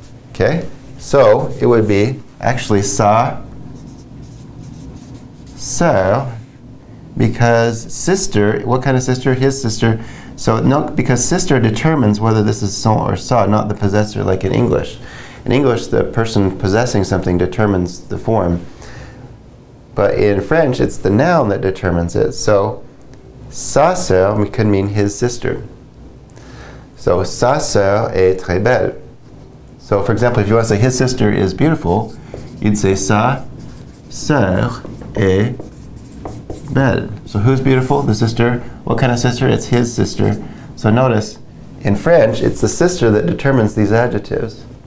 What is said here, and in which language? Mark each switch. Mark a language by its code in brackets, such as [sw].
[en] Okay, so it would be actually sa sœur, because sister, what kind of sister? His sister. So, no, because sister determines whether this is son or sa, not the possessor, like in English. In English, the person possessing something determines the form. But in French, it's the noun that determines it. So, sa sœur can mean his sister. [fr] So, sa sœur est très belle. [en] So, for example, if you want to say his sister is beautiful, you'd say [fr] sa sœur est belle. [en] So who's beautiful? The sister. What kind of sister? It's his sister. So notice, in French, it's the sister that determines these adjectives.